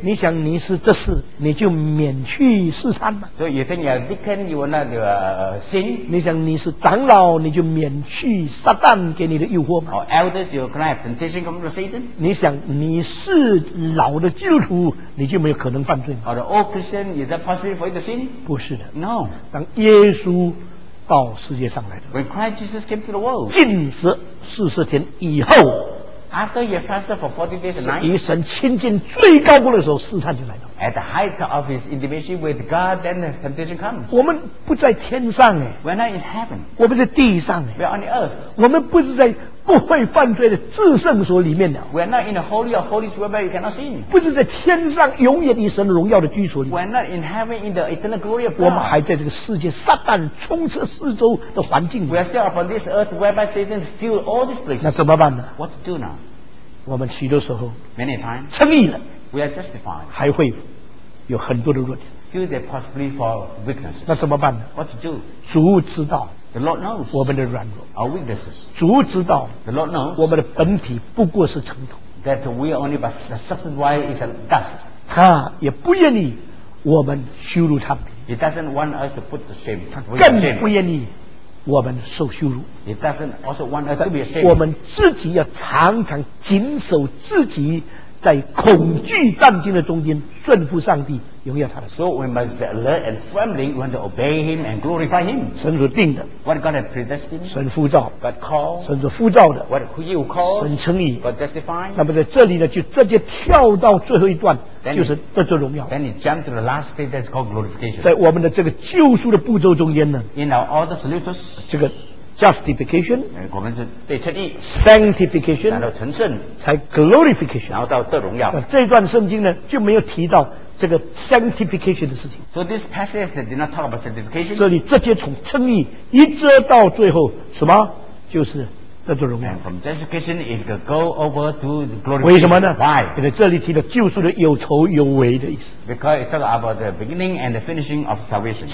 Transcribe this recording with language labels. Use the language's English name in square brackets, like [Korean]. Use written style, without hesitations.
[Chinese] 你想你是这事，你就免去试探吗 [English] ？So you think you're a deacon, you will not sin？ [Chinese] 你想你是长老，你就免去撒旦给你的诱惑吗 [English] ？Or elders, you cannot have temptation from Satan？ [Chinese] 你想你是老的基督徒，你就没有可能犯罪吗 [English] ？Or the old Christian, is that possible for you to sin？ [Chinese] 不是的。 [English] No。 [Chinese] 当耶稣到世界上来的。 [English] When Christ Jesus came to the world。 [Chinese] 禁食四十天以后。 [English] After he fasted for 40 days and nights, [Chinese] 与神亲近最高峰的时候，试探就来了。 [English] At the height of his intimacy with God, then the temptation comes. [Chinese] 我们不在天上哎。 [English] We're not in heaven. [Chinese] 我们在地上哎。 [English] We're on the earth. [Chinese] 我们不是在不会犯罪的至圣所里面了。 [English] We're not in the holy of holies where you cannot sin. [Chinese] 不是在天上永远与神荣耀的居所里。 [English] We're not in heaven in the eternal glory of God. [Chinese] 我们还在这个世界撒旦充斥四周的环境。 [English] We're still upon this earth where by Satan fill all these places. [Chinese] 那怎么办呢 [English] ？What to do now? [Chinese] 我们许多时候 [English] ，many times， [Chinese] 称义了 [English] ，we are justified， [Chinese] 还会有很多的弱点 [English] ，still there possibly for weakness， [Chinese] 那怎么办呢 [English] ？What to do？ [Chinese] 主知道 [English] ，the Lord knows， [Chinese] 我们的软弱 [English] ，our weaknesses， [Chinese] 主知道 [English] ，the Lord knows， [Chinese] 我们的本体不过是尘土 [English] ，that we are only but the substance why is a dust， [Chinese] 他也不愿意我们羞辱他们 [English] ，he doesn't want us to put the shame， [Chinese] 他更不愿意。我们受羞辱 [English] It doesn't also want us to be ashamed. [Chinese] 我们自己要常常谨守自己在恐惧战惊的中间顺服上帝荣耀他的 [English] So we must alert and trembling we want to obey him and glorify him [Chinese] 神所定的 [English] What God has predestined [Chinese] 神呼召 [English] God called [Chinese] 神所呼召的 [English] What he will call [Chinese] 神称义 [English] God justified [Chinese] 那么在这里呢就直接跳到最后一段就是得着荣耀。 [English] Then you jump to the last stage that's called glorification. [Chinese] 在我们的这个救赎的步骤中间呢 [English] ，in our other solutions， [Chinese] 这个 justification，我们是被称义 [English] ，sanctification， [Chinese] 来到成圣，才 glorification，然后到得荣耀。这一段圣经呢就没有提到这个 sanctification 的事情。 [English] So this passage did not talk about sanctification. [Chinese] 这里直接从称义一直到最后什么就是。那就荣耀。 [English] And from justification, it could go over to glory. [Chinese] 为什么呢 [English] ？Why？ [Chinese] 因为这里提的救赎的有头有尾的意思。 [English] Because it talks about the beginning and the finishing of salvation.